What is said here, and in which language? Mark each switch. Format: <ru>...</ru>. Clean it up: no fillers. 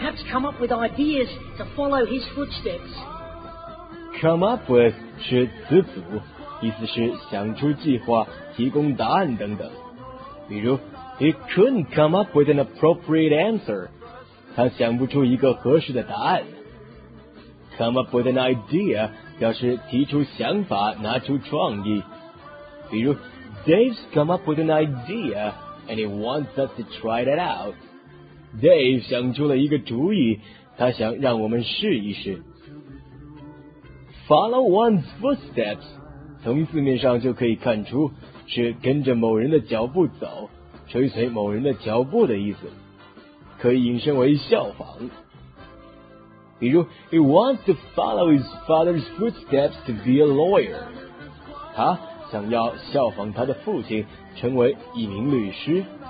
<en>Come up with ideas to follow his footsteps. Come up with</en> <zh>是词组，意思是想出计划、提供答案等等。比如</zh> <en>，He couldn't come up with an appropriate answer.</en> <zh>他想不出一个合适的答案。</zh> <en>Come up with an idea</en> <zh>表示提出想法、拿出创意。比如</zh> <en>，Dave's come up with an idea and he wants us to try it out.</en> <zh>Dave 想出了一个主意，他想让我们试一试。</zh> <en>Follow one's footsteps，</en> <zh>从字面上就可以看出是跟着某人的脚步走，追随某人的脚步的意思，可以引申为效仿。比如</zh> <en>，He wants to follow his father's footsteps to be a lawyer，</en> <zh>他想要效仿他的父亲成为一名律师。</zh>